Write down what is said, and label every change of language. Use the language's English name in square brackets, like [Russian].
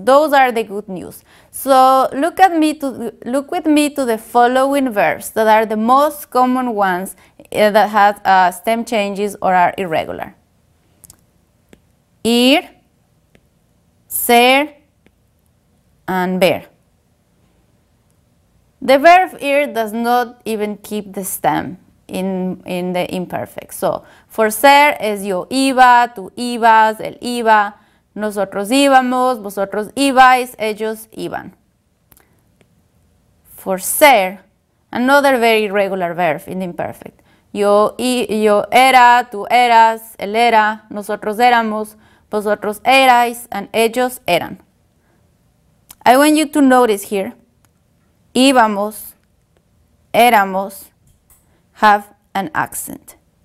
[English] Those are the good news. So look with me to the following verbs that are the most common ones that have stem changes or are irregular. Ir, ser, and ver. The verb ir does not even keep the stem in the imperfect. So, for [Spanish] ser es yo iba, tú ibas, él iba, nosotros íbamos, vosotros ibais, ellos iban. [English] For ser, another very regular verb in the imperfect. [Spanish] Yo era, tú eras, él era, nosotros éramos, vosotros erais, and ellos eran. [English] I want you to notice here, íbamos, éramos, have an accent.